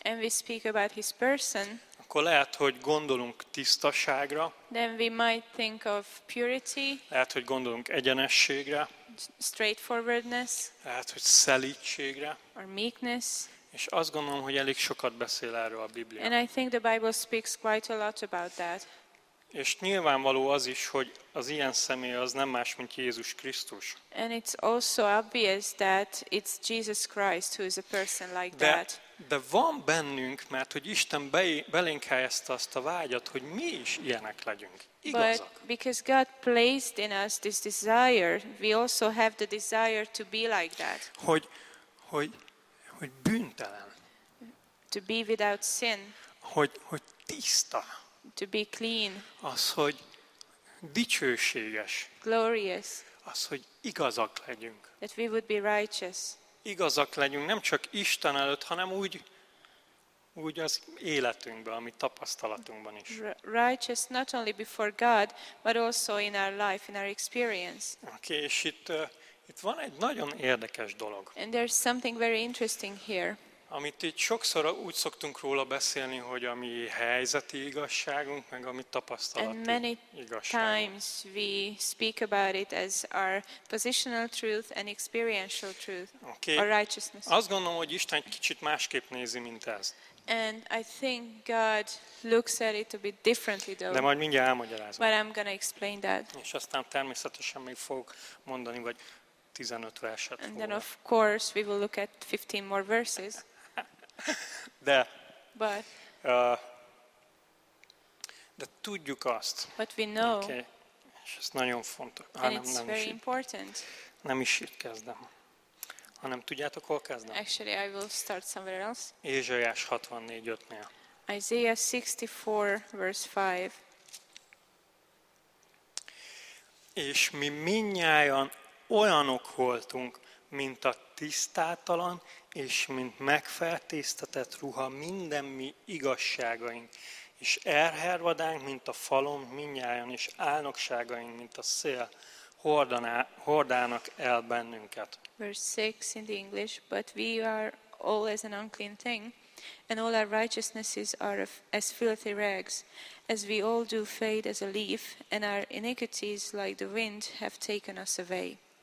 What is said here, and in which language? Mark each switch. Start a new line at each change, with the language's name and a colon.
English: and we speak about his person,
Hungarian: akkor lehet, hogy gondolunk tisztaságra,
English: then we might think of purity,
Hungarian: lehet, hogy gondolunk egyenességre,
English: straightforwardness,
Hungarian: lehet, hogy szelídségre,
English: or meekness,
Hungarian: és azt gondolom, hogy elég sokat beszél erről a Biblia.
English: And I think the Bible speaks quite a lot about that.
Hungarian: És nyilvánvaló az is, hogy az ilyen személy az nem más, mint Jézus Krisztus.
English: And it's also obvious that it's Jesus Christ who is a person like that.
Hungarian: De van bennünk, mert hogy Isten belénk helyezte azt a vágyat, hogy mi is ilyenek legyünk. Igazak.
English: But because God placed in us this desire, we also have the desire to be like that.
Hungarian: Hogy bűntelen.
English: To be without sin.
Hungarian: Hogy tiszta.
English: To be clean.
Hungarian: Az, hogy dicsőséges.
English: Glorious.
Hungarian: Az, hogy igazak legyünk.
English: That we would be righteous.
Hungarian: Igazak legyünk, nem csak Isten előtt, hanem úgy az életünkben, ami tapasztalatunkban is.
English: Righteous not only before God, but also in our life, in our experience.
Hungarian: Okay, és itt van egy nagyon érdekes dolog.
English: And there's something very interesting here.
Hungarian: Amit itt sokszor úgy szoktunk róla beszélni, hogy a mi helyzeti igazságunk, meg a mi tapasztalati igazságunk.
English: And many times we speak about it as our positional truth and experiential truth, okay. Or righteousness.
Hungarian: Azt gondolom, hogy Isten kicsit másképp nézi, mint ez.
English: And I think God looks at it a bit differently though.
Hungarian: De majd mindjárt elmagyarázom.
English: But I'm gonna explain that.
Hungarian: És aztán természetesen még fogok mondani, vagy 15 verset
English: volna. And then of course we will look at 15 more verses.
Hungarian: De.
English: But.
Hungarian: De tudjuk azt.
English: But we know.
Hungarian: Okay. És ez nagyon fontos.
English: And it's very important.
Hungarian: Nem is itt kezdem. Hanem tudjátok, hol kezdem?
English: Actually, I will start somewhere else.
Hungarian: Ézsaiás 64:5-nél.
English: Isaiah 64, verse 5.
Hungarian: És mi mindnyájan olyanok voltunk, mint a tisztátalan, és mint megfertésztetett ruha minden mi igazságaink, és elhervadánk, mint a falon mindnyájan, és álnokságaink, mint a szél, hordának el bennünket.
English: Verse 6 in the English, but we are all as an unclean thing, and all our righteousnesses are as filthy rags, as we all do fade as a leaf, and our iniquities like the wind have taken us away.